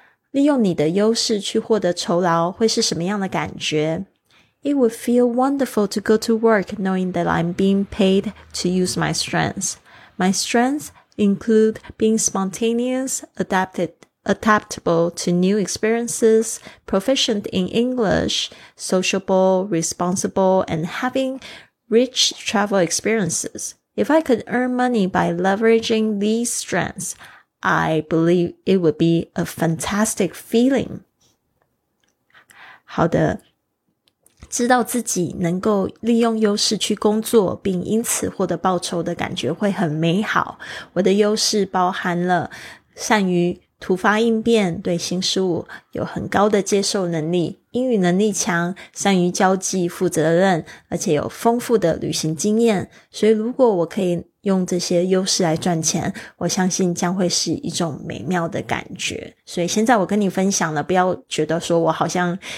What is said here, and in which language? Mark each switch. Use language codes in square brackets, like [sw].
[en] 利用你的优势去获得酬劳会是什么样的感觉 It would feel wonderful to go to work knowing that I'm being paid to use my strengths My strengthsinclude being spontaneous, adaptable to new experiences, proficient in English, sociable, responsible, and having rich travel experiences. If I could earn money by leveraging these strengths, I believe it would be a fantastic feeling. [zh] 好的知道自己能够利用优势去工作并因此获得报酬的感觉会很美好我的优势包含了善于突发应变对新事物有很高的接受能力英语能力强善于交际负责任而且有丰富的旅行经验所以如果我可以用这些优势来赚钱我相信将会是一种美妙的感觉所以现在我跟你分享了不要觉得说我好像